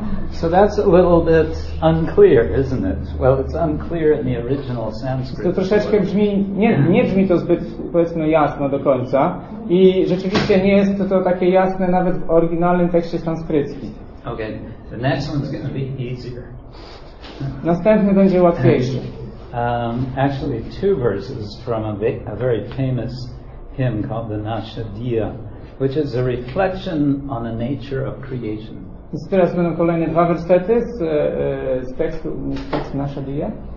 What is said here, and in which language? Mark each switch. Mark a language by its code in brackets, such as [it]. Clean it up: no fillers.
[en] So that's a little bit unclear, isn't it? Well, it's unclear in the original Sanskrit. [pl] To troszeczkę brzmi, nie brzmi to zbyt, powiedzmy, jasno do końca. I rzeczywiście nie jest to takie jasne nawet w oryginalnym tekście sanskryckim. [en] Okay. The next one's going to be easier. [pl] Następny będzie łatwiejszy. [en] Actually, two verses from a very famous hymn called the Nashadiya, which is a reflection on the nature of creation. [pl] Teraz będą kolejne dwa wersety z tekstu Nashadiya.